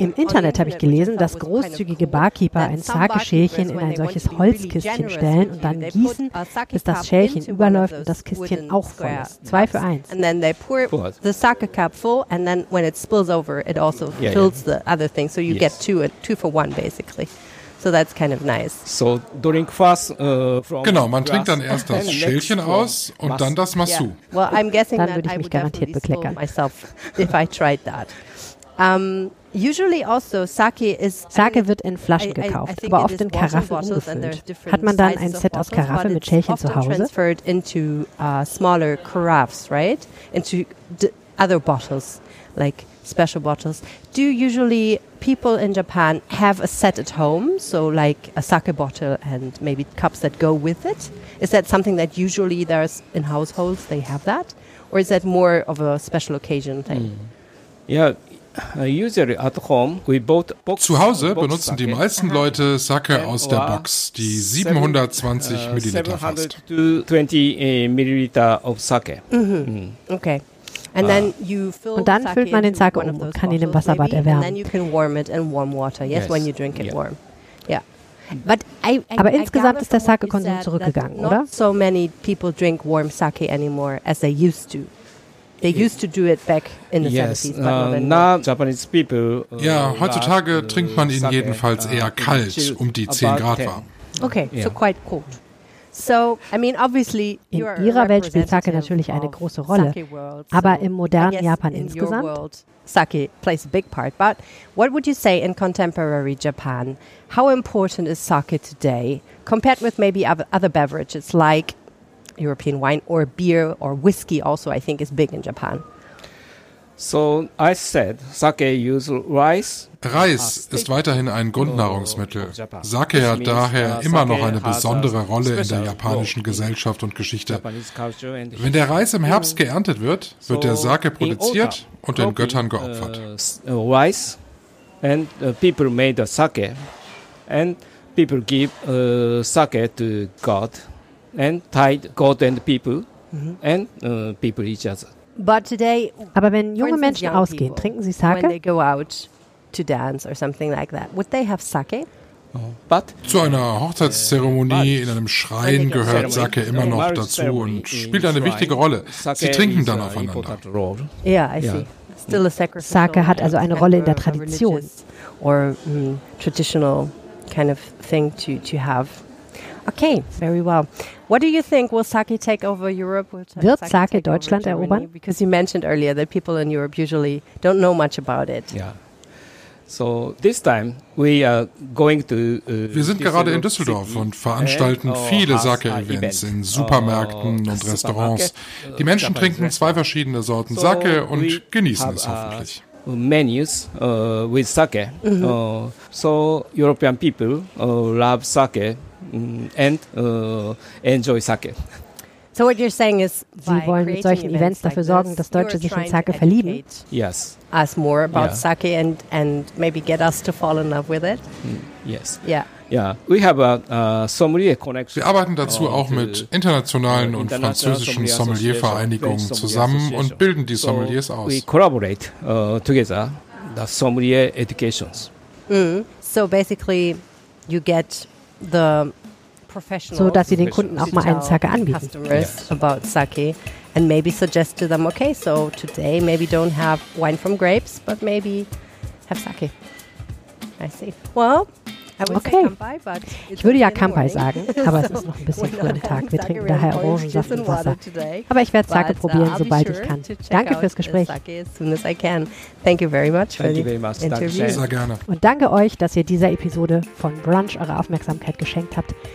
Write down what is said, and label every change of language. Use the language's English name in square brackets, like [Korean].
[German] Im Internet habe ich gelesen, dass großzügige Barkeeper ein Sake-Schälchen in ein solches Holzkistchen stellen und dann gießen, bis das Schälchen überläuft und das Kistchen auch voll ist. Zwei für eins. [English] And then they pour the sake cup full and then when it spills over, it also fills the other thing. So you get two for one basically. So that's kind of nice. So drink fast from [German] Genau, man trinkt dann erst das Schälchen aus und dann das Masu. [English] Yeah. Well, I'm guessing that I would definitely spill myself if I tried that. Usually also sake is [German] Sake wird in Flaschen gekauft, aber oft in Karaffen umgefüllt. Hat man dann ein Set aus Karaffe mit Schälchen zu Hause? [English] Transferred into smaller carafes, right? Into other bottles, like special bottles. Do usually people in Japan have a set at home, so like a sake bottle and maybe cups that go with it? Is that something that usually there's in households, they have that? Or is that more of a special occasion thing? Usually at home we bought box. [German] Zu Hause benutzen die meisten Leute Sake aus der Box, die 720 Milliliter fasst. [English] 720 Milliliter of sake. Okay. And then you fill [German] und dann füllt man den Sake um und kann ihn im Wasserbad erwärmen. [English] And then you can warm it in warm water. Yes, when you drink it warm. Yeah. But [German] aber insgesamt ist der Sake-Konsum zurückgegangen, oder? [English] Not so many people drink warm sake anymore as they used to. They used to do it back in the 70s, but not anymore. [German] Ja, heutzutage trinkt man ihn jedenfalls eher kalt, um die 10 Grad warm. [English] Okay, so quite cold. So, I mean, obviously, [German] in ihrer Welt spielt Sake natürlich eine große Rolle, aber im modernen Japan insgesamt? [English] Sake plays a big part, but what would you say in contemporary Japan, how important is sake today compared with maybe other beverages like European wine or beer or whiskey also I think is big in Japan? So I said, sake use rice. [German] Reis ist weiterhin ein Grundnahrungsmittel. Sake hat daher immer noch eine besondere Rolle in der japanischen Gesellschaft und Geschichte. Wenn der Reis im Herbst geerntet wird, wird der Sake produziert und den Göttern geopfert. [English] Reis and people made the sake and people give sake to God and tied God and people and people each other. But today, [German] aber wenn junge Menschen ausgehen, [English] people, [German] trinken sie Sake? [English] When they go out to dance or something like that, would they have sake? But [German] zu einer Hochzeitszeremonie in einem Schrein gehört Sake immer noch dazu und spielt eine wichtige Rolle. Sie trinken dann aufeinander. [English] Yeah, I see. Still a sacrificial. [German] Sake hat also eine Rolle in der Tradition [English] or traditional kind of thing to have. Okay, very well. What do you think? Will sake take over Europe? [German] Wird sake Deutschland erobern? [English] Because you mentioned earlier that people in Europe usually don't know much about it. Yeah. So this time we are going to. [German] Wir sind gerade in Düsseldorf und veranstalten viele Sake-Events in Supermärkten und Restaurants. Die Menschen trinken zwei verschiedene Sorten Sake und genießen es hoffentlich. [English] Menus with sake. So European people love sake. And enjoy sake. So what you're saying is, [German] Sie wollen mit solchen Events dafür [English] like [German] sorgen, dass Deutsche sich in Sake verlieben? [English] Yes. Ask more about sake and maybe get us to fall in love with it. Yes. Yeah. Yeah. We have a sommelier connection. [German] Wir arbeiten dazu auch mit internationalen und französischen Sommeliervereinigungen zusammen und bilden die Sommeliers aus. [English] We collaborate together the sommelier educations. So basically, you get the [German] professional, so dass sie den Kunden auch mal einen Sake anbieten. [English] Customers about sake and maybe suggest to them, okay, so today maybe don't have wine from grapes, but maybe have sake. I see. Well, I would say kanpai, but [German] ich würde ja kanpai sagen, aber es ist noch ein bisschen früh am Tag. Wir trinken daher Orangensaft und Wasser. Aber ich werde sake probieren, sobald ich kann. Danke fürs Gespräch. [English] Thank you very much for the interview. [German] Sehr, sehr gerne. Und danke euch, dass ihr dieser Episode von Brunch eure Aufmerksamkeit geschenkt habt.